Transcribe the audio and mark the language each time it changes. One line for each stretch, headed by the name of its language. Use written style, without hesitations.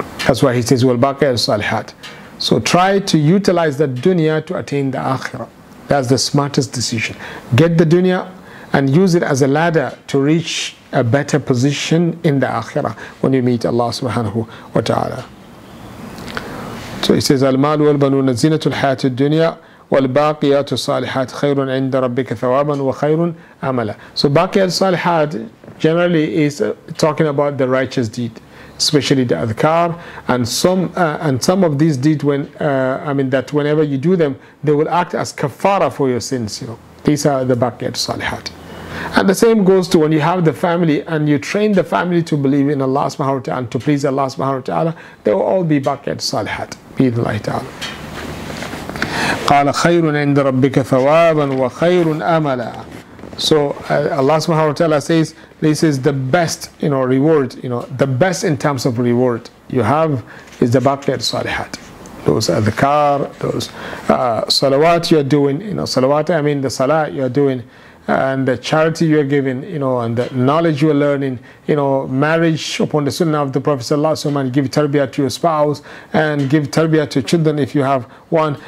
English: That's why he says,
Arabic: وَالْبَاقِيَ الصَّالِحَاتِ.
English: So try to utilize the dunya to attain the akhirah. That's the smartest decision. Get the dunya and use it as a ladder to reach a better position in the akhirah when you meet Allah subhanahu wa ta'ala. So he says,
Arabic: الْمَالُ وَالْبَنُونَ زِنَةُ الْحَيَاةِ الدُّنْيَا وَالْبَاقِيَاتُ الصَّالِحَاتِ خَيْرٌ عِنْدَ رَبِّكَ ثَوَابًا وَخَيْرٌ أَمَلًا.
English: So baqiyat salihat generally is talking about the righteous deed, especially the adhkar, and some of these deeds, that whenever you do them, they will act as kafara for your sins, you know. These are the baqiyat salihat. And the same goes to when you have the family and you train the family to believe in Allah subhanahu wa ta'ala and to please Allah subhanahu wa ta'ala, they will all be baqiyat salihat, bi'idhnillahi ta'ala.
Arabic: قال خير عند ربك ثوابا وخير املا.
English: So Allah subhanahu wa ta'ala says this is the best, you know, reward, you know, the best in terms of reward you have is the baqiyat salihat, those adhkar, those salawat you're doing, you know, salawat, I mean the salah you're doing, and the charity you're giving, you know, and the knowledge you're learning, you know, marriage upon the sunnah of the Prophet sallallahu alaihi wasallam, and give tarbiyah to your spouse, and give tarbiyah to children if you have one.